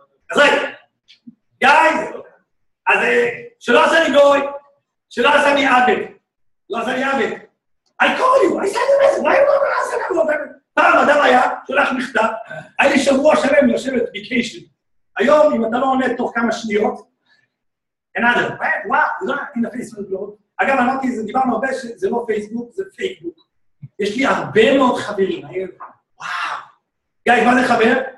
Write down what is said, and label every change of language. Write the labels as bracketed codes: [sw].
[he] אז רגע, גייז, אז שלא עשה לי גוי, שלא עשה לי עבד, לא עשה לי עבד. [en] I call you, I send a message, why you don't ask me? [he] פעם אדם היה, שולח מכתב, היה לי שבוע שלם יושבת ביקיישן. היום, אם אתה לא עונה תוך כמה שניות, אין אדם, וואו, זה לא, אין הפייסבוק לא. אגב, אמרתי, דיברנו הרבה שזה לא פייסבוק, זה פייקבוק. יש לי הרבה מאוד חברים, אני אומר, וואו. גיא, מה זה חבר?